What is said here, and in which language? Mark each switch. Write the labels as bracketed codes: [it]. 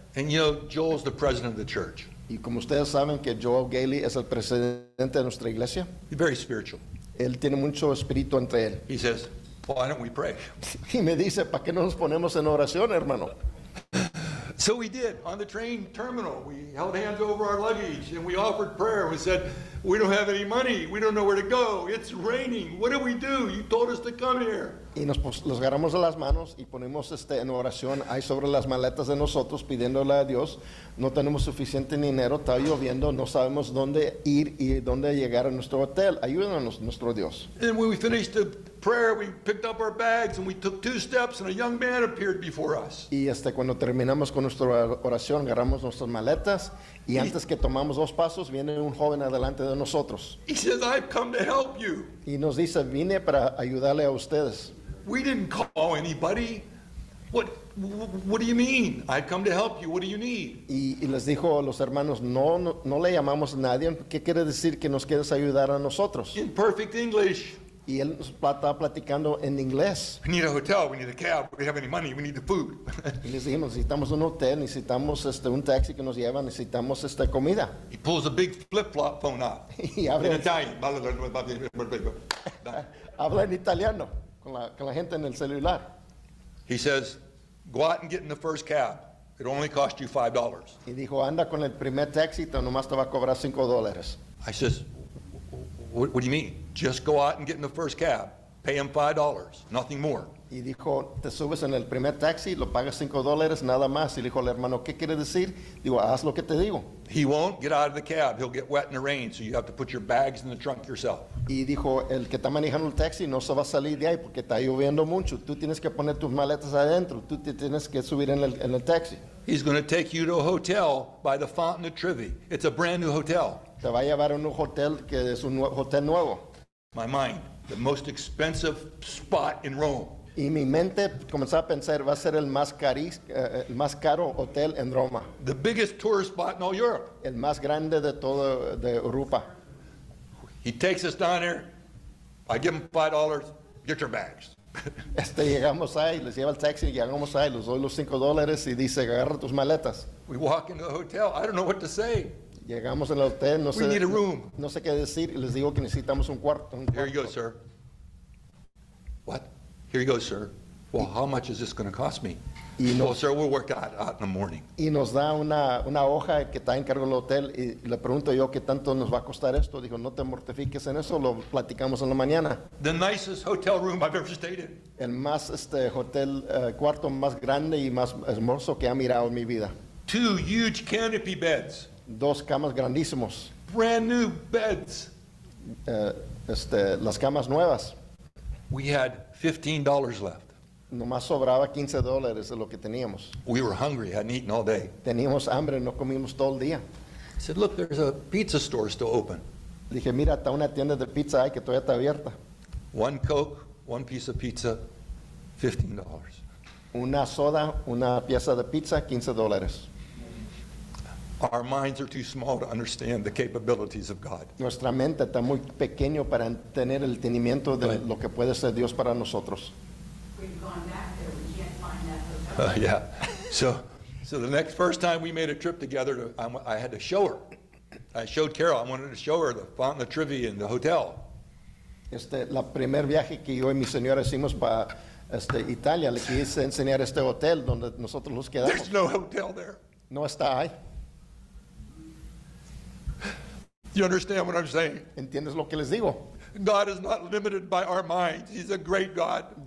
[en] And you know, Joel's the president of the church. [es] Y como ustedes saben que Joel Gailey es el presidente de nuestra iglesia. [en] He's very spiritual. [es] Él tiene mucho espíritu entre él. [en] He says, why don't we pray? [es] Y me dice, ¿para qué no nos ponemos en oración, hermano? [en] So we did, on the train terminal. We held hands over our luggage and we offered prayer. We said, we don't have any money. We don't know where to go. It's raining. What do we do? You told us to come here. [es] Y nos agarramos de las manos y ponemos en oración ahí sobre las maletas de nosotros pidiéndole a Dios. No tenemos suficiente dinero, está lloviendo, no sabemos dónde ir y dónde llegar a nuestro hotel. Ayúdanos, nuestro Dios. [en] And when we finished the prayer, we picked up our bags and we took two steps and a young man appeared before us. [es] Y cuando terminamos con nuestra oración, agarramos nuestras maletas y antes que tomamos dos pasos, viene un joven adelante de nosotros. [en] He says, I've come to help you. [es] Y nos dice, vine para ayudarle a ustedes. [en] We didn't call anybody. What do you mean? I've come to help you. What do you need? [es] Y les dijo a los hermanos, no le llamamos a nadie. ¿Qué quiere decir que nos quieres ayudar a nosotros? [en] In perfect English. [es] Y él estaba platicando en inglés. [en] We need a hotel. We need a cab. We have any money. We need the food. [es] Y les dijimos, necesitamos un hotel. Necesitamos un taxi que nos lleva. Necesitamos comida. [en] He pulls a big flip-flop phone out. [es] Y abre. [en] In Italian. [es] Habla en italiano. Con la gente en el celular. [en] He says, go out and get in the first cab. It only cost you $5. [es] Y dijo, anda con el primer taxi, nomás te va a cobrar $5. [en] I says, what do you mean? Just go out and get in the first cab. Pay him $5, nothing more. [es] Y dijo, te subes en el primer taxi, lo pagas $5, nada más. Y dijo al hermano, ¿qué quiere decir? Digo, haz lo que te digo. [en] He won't get out of the cab. He'll get wet in the rain, so you have to put your bags in the trunk yourself. [es] Y dijo, el que está manejando el taxi no se va a salir de ahí porque está lloviendo mucho. Tú tienes que poner tus maletas adentro. Tú te tienes que subir en el taxi. [en] He's going to take you to a hotel by the Fountain of Trevi. It's a brand new hotel. [es] Te va a llevar a un hotel que es un hotel nuevo. [en] My mind, the most expensive spot in Rome. [es] Y mi mente comenzaba a pensar, va a ser el más caro hotel en Roma. [en] The biggest tourist spot in all Europe. [es] El más grande de toda de Europa. [en] He takes us down there. I give him $5. Get your bags. [es] Llegamos ahí, les lleva el taxi, llegamos ahí, les doy los $5 y dice, agarra tus maletas. [en] We walk into the hotel. I don't know what to say. [es] Llegamos en el hotel. No [en] we [es] sé, [en] need a room. [es] No sé qué decir. Les digo que necesitamos un cuarto. [en] Here you go, sir. What? Here you go, sir. Well, how much is this going to cost me? Well, sir, we'll work that out in the morning. [es] Y nos da una hoja que está en cargo del hotel y le pregunto yo qué tanto nos va a costar esto. Dijo, no te mortifiques en eso, lo platicamos en la mañana. [en] The nicest hotel room I've ever stayed in. [es] El más hotel cuarto más grande y más hermoso que ha mirado en mi vida. [en] Two huge canopy beds. [es] Dos camas grandísimos. [en] Brand new beds. [es] Las camas nuevas. [en] We had $15 left. [es] Nomás sobraba $15 de lo que teníamos. [en] We were hungry, hadn't eaten all day. [es] Teníamos hambre, no comimos todo el día. [en] I said, look, there's a pizza store still open. [es] Dije, mira, está una tienda de pizza ahí que todavía está abierta. [en] One Coke, one piece of pizza, $15. [es] Una soda, una pieza de pizza, $15. [en] Our minds are too small to understand the capabilities of God. [es] Nuestra mente está muy pequeño para tener el entendimiento de lo que puede ser Dios para nosotros. [en] We've gone back there. We can't find that hotel. Yeah. So the next first time we made a trip together, I had to show her. I showed Carol. I wanted to show her the Fountain of Trevi and the hotel. [es] La primer viaje que yo y mi señora hicimos para Italia, le quise enseñar hotel donde nosotros nos quedamos. [en] There's no hotel there. [es] No está ahí. [en] Do you understand what I'm saying? [es] ¿Entiendes lo que les digo? [en] God is not limited by our minds. He's a great God.